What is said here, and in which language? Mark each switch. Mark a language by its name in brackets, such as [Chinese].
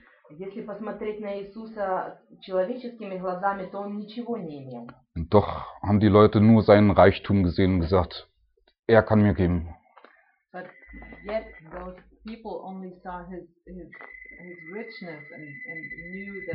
[Russian] Если посмотреть на Иисуса человеческими глазами, то он ничего не имел. [German] Doch haben die Leute nur seinen Reichtum gesehen und gesagt, er kann mir geben. [English] But yet those people only saw his richness and knew that.